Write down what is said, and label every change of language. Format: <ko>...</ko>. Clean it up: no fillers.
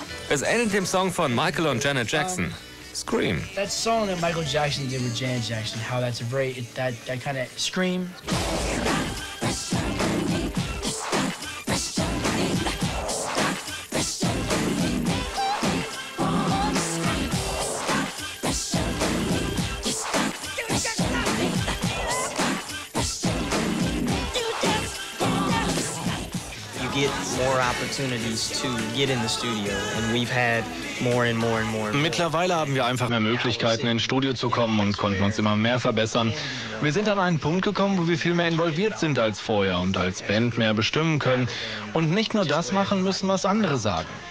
<de>Es endet dem Song von Michael und Janet Jackson.</de> <en>Scream. That song that Michael Jackson did with Janet Jackson, how that's a very, that kind of scream. You get more opportunities to get in the studio, and we've had</en> <de>Mittlerweile haben wir einfach mehr Möglichkeiten, ins Studio zu kommen und konnten uns immer mehr verbessern. Wir sind an einen Punkt gekommen, wo wir viel mehr involviert sind als vorher und als Band mehr bestimmen können und nicht nur das machen müssen, was andere sagen.</de>